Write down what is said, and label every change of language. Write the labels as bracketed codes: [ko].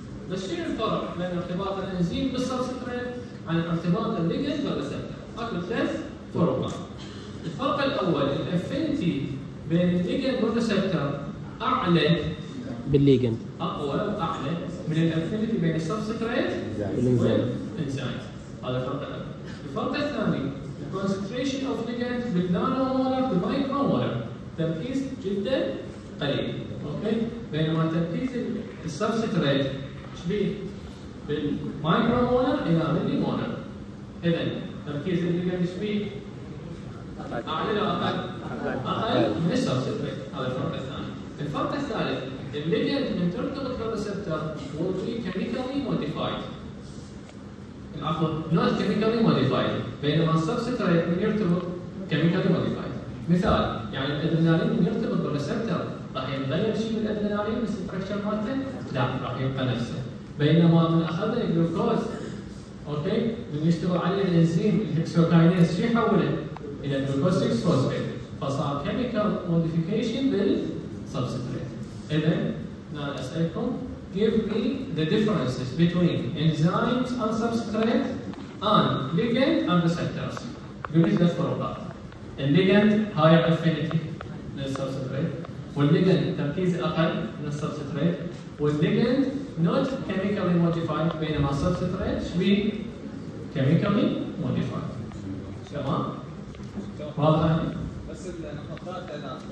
[ar] بس شنو الفرق بين ارتباط الإنزيم بالسبستريت عن ارتباط الليجن بالريسبتر؟ أكل ثلاث فروقات. الفرق الأول الأفينيتي بين الليجن والريسبتر أعلى بالليجن أقوى أعلى من الأفينيتي بين السبستريت والإنزيم. هذا الفرق الثاني [en] the concentration of ligands with nanomolar to micromolar [ar] تركيز جدا قليل. اوكي بينما تركيز السبستريت شبيه بالمايكرومولر الى مليمولر. اذا تركيز الليجند شبيه اعلى الى اقل من السبستريت. هذا الفرق الثاني. الفرق الثالث الليجند من ترتبط بالريسبتر [en] will be chemically modified not chemically modified بينما substrate من يرتبط chemically modified. [ar] مثال يعني الادرينالين من يرتبط بالريسبتر راح يغير شيء من الادرينالين من الستركشر مالته؟ لا راح يبقى نفسه. بينما من اخذنا الجلوكوز اوكي من يشتغل عليه الانزيم الهكسوكاينيز شو يحوله؟ الى جلوكوز 6 فوسفيت فصار chemical modification بالsubstrate. اذا نال اسالكم [en] give me the differences between enzymes and substrate and ligand and receptors. What is the product? The ligand higher affinity than the substrate. The ligand [ar] تركيز أقل من [en] substrate. The ligand not chemically modified بينما substrate should be chemically modified. [ar] تمام؟ واضح؟ بس النقاط أنا